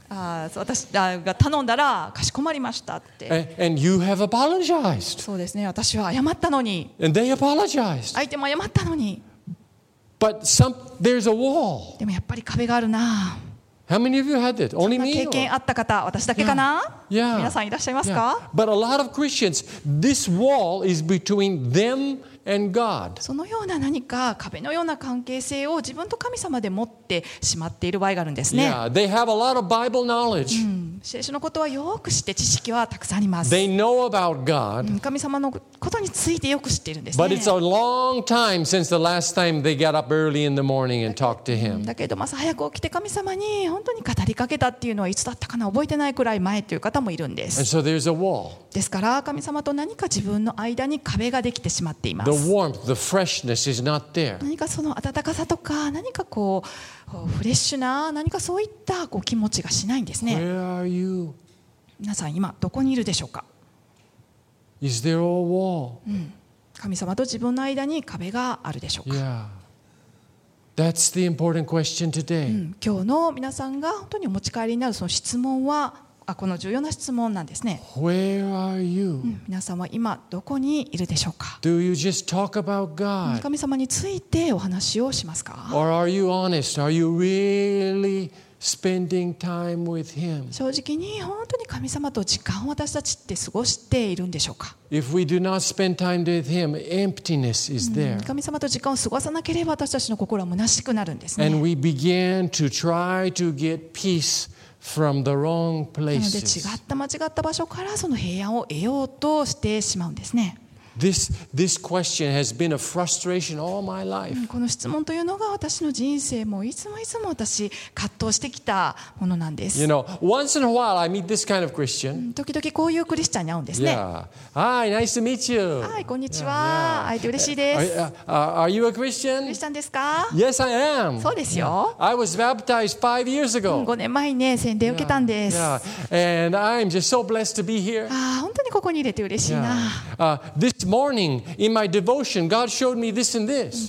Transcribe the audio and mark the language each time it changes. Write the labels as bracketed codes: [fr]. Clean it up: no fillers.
[ja] 私が頼んだらかしこまりましたって。 [en] And you have apologized. [ja] そうですね、私は謝ったのに。 [en] And they apologized. [ja] 相手も謝ったのに。 [en] But there's a wall. [ja] でもやっぱり壁があるな。 [en] How many of you had it? Only me? [ja] 経験あった方、私だけかな。 [en] Yeah. [ja] 皆さんいらっしゃいますか。 [en] Yeah. But a lot of Christians, this wall is between them and God. [ja] そのような何か壁のような関係性を自分と神様で持ってしまっている場合があるんですね。 [en] Yeah, they have a lot of Bible knowledge. [ja] 聖書のことはよく知って知識はたくさんあります。 [en] They know about God. [ja] 神様のことについてよく知っているんですね。 [en] But it's a long time since the last time they got up early in the morning and talked to him. [ja] だけど朝早く起きて神様に本当に語りかけたっていうのはいつだったかな、覚えてないくらい前という方もいるんです。 [en] And so there's a wall. [ja] ですから神様と何か自分の間に壁ができてしまっています。 [en] Warmth, the freshness is not there. [ja] 何かその温かさとか何かこうフレッシュな何かそういったこう気持ちがしないんですね。 [en] Where are you? [ja] 皆さん今どこにいるでしょうか。 [en] Is there a wall? [ja] 神様と自分の間に壁があるでしょうか。 [en] Yeah. That's the important question today. [ja] 今日の皆さんが本当にお持ち帰りになるその質問はこの重要な質問なんですね。 [en] Where are you? [ja] 皆さんは今どこにいるでしょうか。 [en] Do you just talk about God? [ja] 神様についてお話をしますか。 [en] Or are you honest? Are you really spending time with Him? [ja] 正直に本当に神様と時間を私たちって過ごしているんでしょうか。 [en] If we do not spend time with Him, emptiness is there. [ja] 神様と時間を過ごさなければ私たちの心は虚しくなるんですね。 [en] And we begin to try to get peace from the wrong places. [ja] なので違った間違った場所からその平安を得ようとしてしまうんですね。 [en] This question has been a frustration all my life. [ja] この質問というのが私の人生もいつもいつも私葛藤してきたものなんです。 [en] You know, once in a while I meet this kind of Christian. [ja] 時々こういうクリスチャンに会うんですね。 [en] Yeah. Hi, nice to meet you. [ja] はい、こんにちは。会えて嬉しいです。 [en] Are you a Christian? [ja] クリスチャンですか？ [en] Yes, I am. [ja] そうですよ。 [en] I was baptized 5 years ago. [ja] 5年前にね、洗礼を受けたんです。 [en] Yeah. And I'm just so blessed to be here. [ja] 本当にここに入れて嬉しいな。 [en] This morning, in my devotion, God showed me this and this.